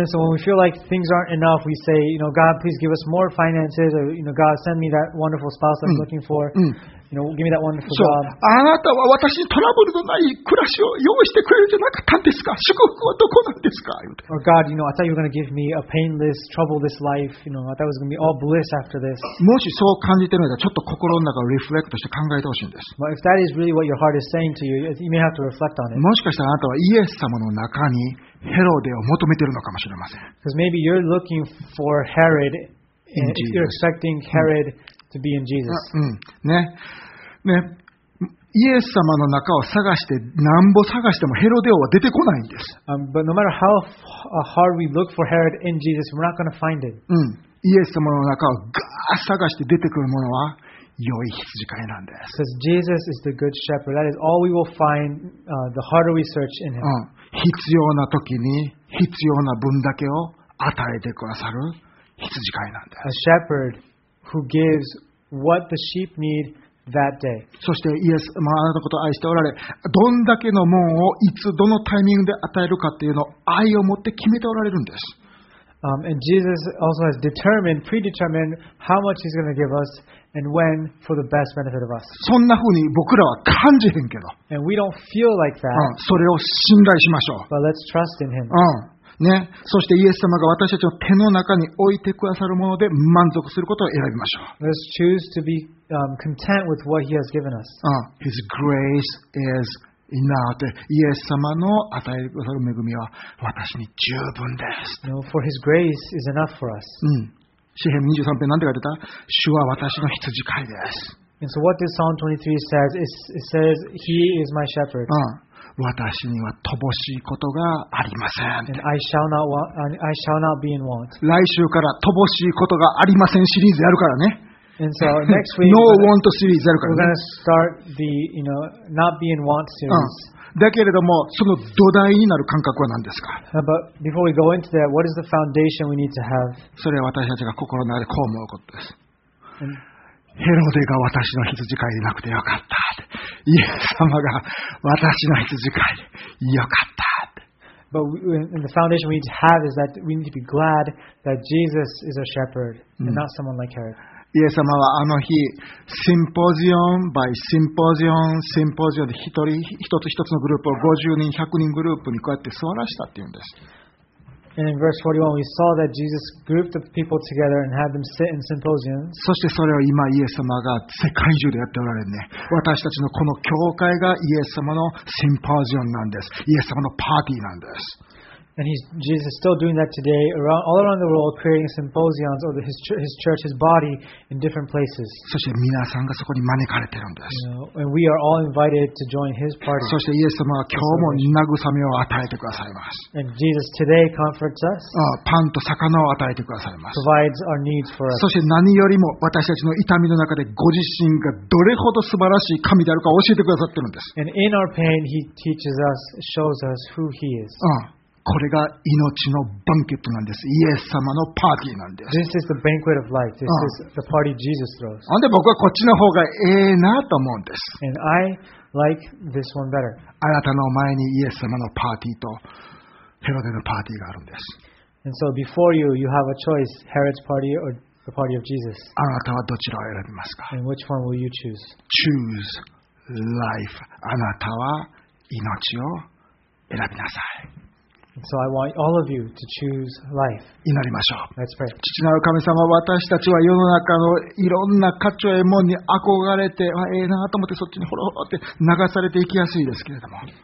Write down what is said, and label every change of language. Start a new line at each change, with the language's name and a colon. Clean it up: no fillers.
English: And so when we feel like things aren't enough, we say, you know, God, please give us more finances, or you know, God, send me that wonderful. Spouse I'm looking for. You know, give me that wonderful job.
Japanese: あなたは私にトラブルのない暮らしを用意してくれるじゃなかったんですか？祝福はどこなんですか？
English: Or God, you know, I thought you were going to give me a painless, troubleless life. You know, I thought it was going to be all bliss after this.
Japanese: もしそう感じてるならちょっと心の中をリフレクトして考えてほしいんです。
English: But if that is really what your heart is saying to you, you may have to reflect on it.
Japanese: もしかしたらあなたはイエス様の中にヘロデを求めてるのかもしれません。
English: Because maybe you're looking for Herod, and if you're expecting Herod. To be in Jesus.
Japanese: イエス様の中を探して何歩探してもヘロデ王は出てこないんです。
English: But no matter how hard we look for Herod in Jesus, we're not going to find it.
Japanese: イエス様の中をガー探して出てくるものは良い羊飼いなんです。
English: Because Jesus is the good shepherd. That is all we will find, the harder we search in him.
Japanese: 必要な時に必要な分だけを与えてくださる羊飼いなんです。
English: A shepherd. Who gives what the sheep need that day?
Japanese: そしてイエス、まあ、あなたのことを愛しておられ、どんだけの門をいつどのタイミングで与えるかっていうのを愛を持って決めておられるんです。
English: And Jesus also has predetermined how much He's going to give us and when for the best benefit of us.
Japanese: そんな風に僕らは感じへんけど。
English: And we don't feel like that.、
Japanese: うん、それを信頼しましょう。
English: But let's trust in Him.、
Japanese: うんね、そしてイエス様が私たちの手の中に置いてくださるもので満足することを選びましょう。
English: Let's choose to be content with what He has given us. His grace is enough.
Japanese: イエス様の与えてくださる恵みは私に十分です。
English: No, for His grace is enough for us.
Japanese: 詩編23編なんて書いてた？主は私の羊飼いです。
English: And so what does Psalm 23 say? It says, He is my shepherd.
Japanese: 私には乏しいことがありません。
English: I shall not be in want.
Japanese: 来週から乏しいことがありませんシリーズやるからね。
English: And so next week,
Japanese: No Want シリーズやるからね。
English: We're going to start the, you know, Not Be in Want series.、
Japanese: うん、だけれども、その土台になる感覚は何ですか？
English: But before we go into that, what is the foundation we need to have?
Japanese: それは私たちが心の中でこう思うことです。ヘロデが私の羊飼いでなくてよかったって。イエス様が私の羊飼いでよかったって。
English: But the foundation we need to have is that we need to be glad that Jesus is a shepherd and not someone like Herod.
Japanese: イエス様はあの日、シンポジオン by シンポジオン、シンポジオンで一つ一つのグループを50人、100人グループにこうやって座らせたっていうんです。
English: And in verse 41, we saw that Jesus grouped the people together and had them sit in symposiums.
Japanese: そしてそれを今イエス様が世界中でやっておられるね。私たちのこの教会がイエス様のシンポジオンなんです。イエス様のパーティーなんです。
English: And Jesus is still doing that today around, all around the world, creating symposiums or his church, his body in different places.
Japanese: そして皆さんがそこに招かれてるんです。
English: And we are all invited to join his party.
Japanese: そしてイエス様は今日も慰めを与えてくださいます。
English: And Jesus today comforts us.
Japanese: パンと魚を与えてくださいます。
English: Provides our needs for us.
Japanese: そして何よりも私たちの痛みの中でご自身がどれほど素晴らしい神であるか教えてくださってるんです。
English: And in our pain, he teaches us, shows us who he is.
Japanese: これが命のバンケットなんです。イエス様のパーティーなんです。
English: This is the banquet of life. This is the party Jesus throws.
Japanese: で僕はこっちの方がええなと思うんです。
English: And I like this one better.
Japanese: あなたの前にイエス様のパーティーとヘロデのパーティーがあるんです。
English: And so before you, you have a choice: Herod's party or the party of Jesus.
Japanese: あなたはどちらを選びますか?
English: And which one will you choose? Choose life.
Japanese: あなたは命を選びなさい。
English: So I want all of you to choose life.
Japanese: 祈りましょう。
English: Let's pray.
Japanese: 父なる神様、私たちは世の中のいろんな価値やものに憧れて、ええなと思ってそっちにほろほろって流されていきやすいですけれども。